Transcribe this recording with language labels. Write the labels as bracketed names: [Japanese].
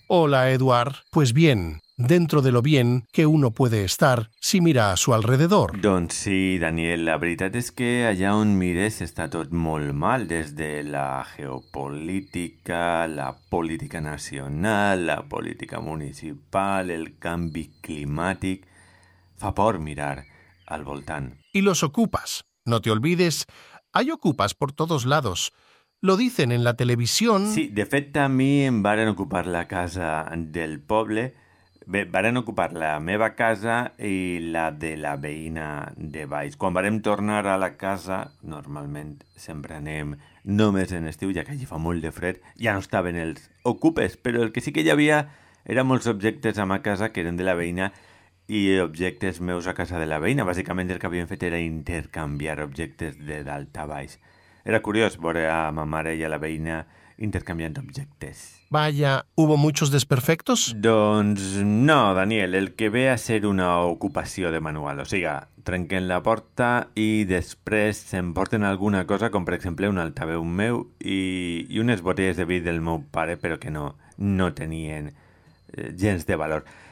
[Spanish] Hola Eduard, pues bien, dentro de lo bien que uno puede estar si mira a su alrededor. [Catalan] Doncs sí, Daniel, la veritat és que allà on mires està tot molt mal, des de la geopolítica, la política nacional, la política municipal, el canvi climàtic... Fa por mirar al voltant. [Spanish] Y los ocupas, no te olvides, hay ocupas por todos lados. Lo dicen en la televisión... [Catalan] Sí, de fet, a mi em varen ocupar la casa del poble... Bé, varen ocupar la meva casa i la de la veïna de baix. Quan varem tornar a la casa, normalment sempre anem només en estiu, ja que allí fa molt de fred, ja no estaven els ocupes, però el que sí que hi havia eren molts objectes a ma casa que eren de la veïna i objectes meus a casa de la veïna. Bàsicament el que havíem fet era intercanviar objectes de dalt a baix. Era curiós veure a ma mare i a la veïna intercanviant objectes. [Spanish] Vaya, ¿hubo muchos desperfectos? [Catalan] Doncs no, Daniel, el que ve a ser una ocupació de manual. O sigui, trenquen la porta i després s'emporten alguna cosa, com per exemple un altaveu meu i unes botelles de vi del meu pare, però que no tenien gens de valor.